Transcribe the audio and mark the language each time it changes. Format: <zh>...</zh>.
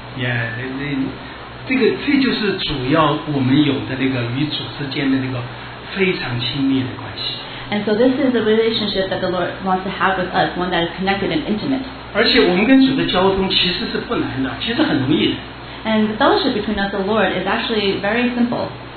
<en>Yeah, they,</en> <zh>这就是主要我们有的那个与主之间的那个非常亲密的关系。</zh> <en>And so this is a relationship that the Lord wants to have with us, one that is connected and intimate.</en> <zh>而且我们跟主的交通其实是不难的，其实很容易的。</zh> <en>And the fellowship between us and the Lord is actually very simple.</en>